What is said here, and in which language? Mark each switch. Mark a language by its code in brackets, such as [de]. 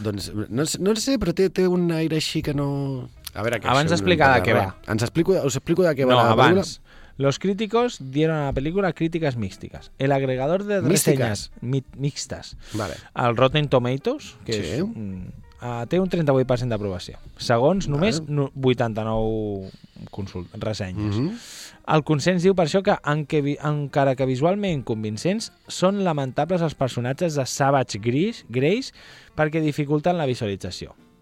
[ca] Doncs no sé, però té un aire així que no... A veure, que abans d'explicar de què va. Us explico de què va. No, abans. [es] Los críticos dieron a la película críticas místicas. El agregador de reseñas mixtas. [ca] Vale. Al Rotten Tomatoes, que sí. Té un 38% d'aprovació. Segons, només 89 ressenyes. Mm-hmm. El consens diu per això que, encara que visualment convincents, són lamentables els personatges de Savage Grace perquè dificulten la visualització.